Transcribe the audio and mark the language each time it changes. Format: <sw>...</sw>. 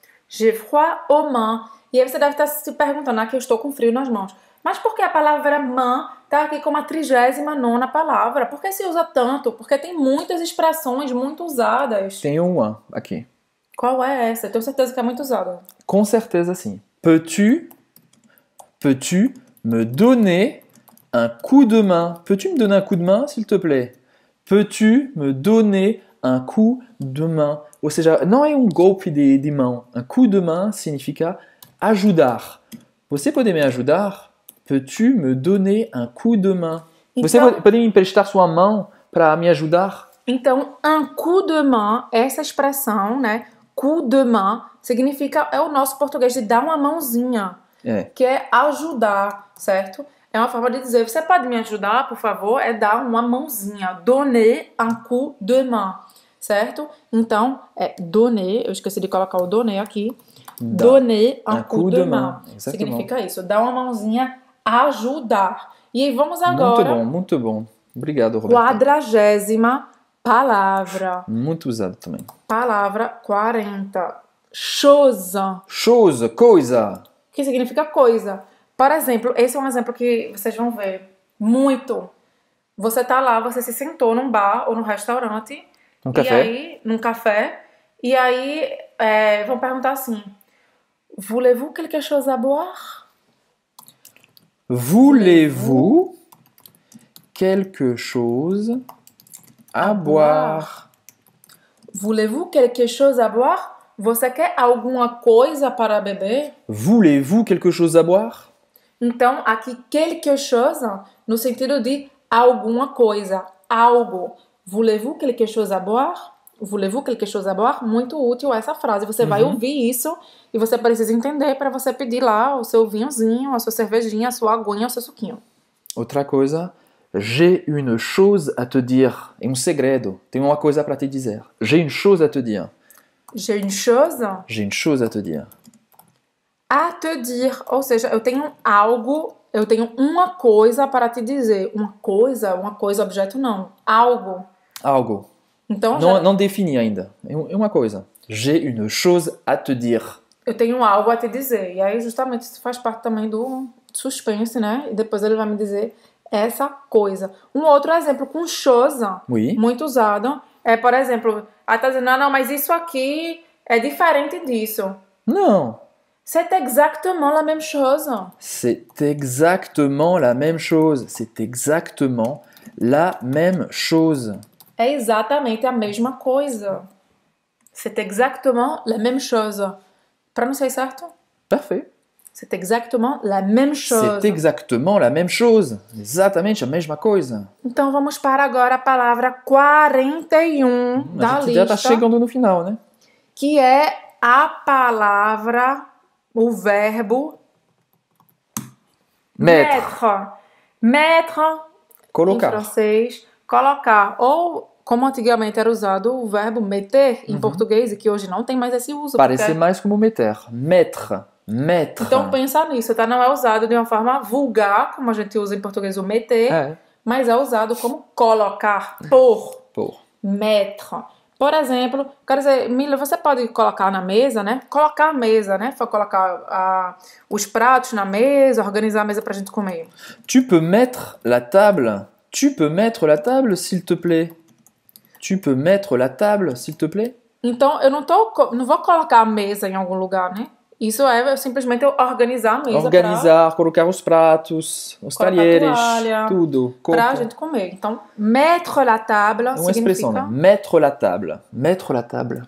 <fr>J'ai froid aux mains.</fr> <pt>E aí você deve estar se perguntando, né, que eu estou com frio nas mãos. Mas por que a palavra main tá aqui como a 39ª palavra? Por que se usa tanto? Porque tem muitas expressões muito usadas. Tem uma aqui. Qual é essa? Eu tenho certeza que é muito usada. Com certeza, sim.</pt> <fr>Peux-tu, peux-tu me donner un coup de main? Peux-tu me donner un coup de main, s'il te plaît? Peux-tu me donner un coup de main?</fr> <pt>Ou seja, não é golpe de mão. Un coup de main significa ajudar. Você pode me ajudar?</pt> <fr>Peux-tu me donner un coup de main?</fr> <pt>Então, você pode me emprestar sua mão para me ajudar? Então, un coup de main, essa expressão, né? Coup de main significa, é o nosso português de dar uma mãozinha, é. Que é ajudar, certo? É uma forma de dizer, você pode me ajudar, por favor? É dar uma mãozinha,</pt> <fr>donner un coup de main,</fr> <pt>certo? Então, é donner, eu esqueci de colocar o donner aqui,</pt> <fr>donner un coup de main,</fr> <pt>significa isso, dar uma mãozinha, ajudar. E aí, vamos agora... Muito bom, muito bom. Obrigado, Roberto. Quadragésima palavra. Muito usada também. Palavra 40. Chose. Chose, coisa. Que significa coisa. Por exemplo, esse é um exemplo que vocês vão ver muito. Você tá lá, você se sentou num bar ou num restaurante. Num café. E aí, num café. E aí, vão perguntar assim.</pt> <fr>Voulez-vous quelque chose à boire? Voulez-vous quelque chose à boire? Voulez-vous quelque chose à boire?</fr> <pt>Você quer alguma coisa para beber?</pt> <fr>Voulez-vous quelque chose à boire?</fr> <pt>Então, aqui, quelque chose, no sentido de alguma coisa, algo.</pt> <fr>Voulez-vous quelque chose à boire? Voulez-vous quelque chose à boire?</fr> <pt>Muito útil essa frase. Você vai ouvir isso e você precisa entender para você pedir lá o seu vinhozinho, a sua cervejinha, a sua aguinha, o seu suquinho. Outra coisa...</pt> <fr>J'ai une chose à te dire.</fr> <pt>É um segredo. Tenho uma coisa para te dizer.</pt> <fr>J'ai une chose à te dire. J'ai une chose? J'ai une chose à te dire. À te dire.</fr> <pt>Ou seja, eu tenho algo, eu tenho uma coisa para te dizer. Uma coisa, objeto, não. Algo. Algo. Então, não, já... não defini ainda. É uma coisa.</pt> <fr>J'ai une chose à te dire.</fr> <pt>Eu tenho algo a te dizer. E aí, justamente, isso faz parte também do suspense, né? E depois ele vai me dizer... essa coisa. Um outro exemplo com chose,</pt> <fr>oui,</fr> <pt>muito usado, é, por exemplo, ela tá dizendo, não, mas isso aqui é diferente disso. Não.</pt> <fr>C'est exactement la même chose. C'est exactement la même chose. C'est exactement la même chose.</fr> <pt>É exatamente a mesma coisa.</pt> <fr>C'est exactement la même chose.</fr> <pt>Pronunciei certo? Perfeito.</pt> <fr>C'est exactement la même chose. C'est exactement la même chose.</fr> <pt>Exatamente a mesma coisa. Então vamos para agora a palavra 41 da lista. A gente já está chegando no final, né? Que é a palavra, o verbo...</pt> <fr>Mettre. Mettre.</fr> <pt>Colocar. Em francês, colocar. Ou, como antigamente era usado, o verbo meter em português, e que hoje não tem mais esse uso. Parece porque... mais como meter. Mettre. Mettre. Então pensa nisso, tá? Não é usado de uma forma vulgar, como a gente usa em português o meter, mas é usado como colocar, pôr. Pôr.</pt> <fr>Mettre.</fr> <pt>Por exemplo, quero dizer, Mila, você pode colocar na mesa, né? Colocar a mesa, né? Foi colocar os pratos na mesa, organizar a mesa pra gente comer.</pt> <fr>Tu peux mettre la table? Tu peux mettre la table, s'il te plaît? Tu peux mettre la table, s'il te plaît?</fr> <pt>Então, eu não vou colocar a mesa em algum lugar, né? Isso é simplesmente organizar a mesa. Organizar, colocar os pratos, os talheres, tudo. Para a gente comer. Então,</pt> <fr>mettre la table</fr> <pt>significa... É uma expressão, né?</pt> <fr>Mettre la table. Mettre la table.</fr>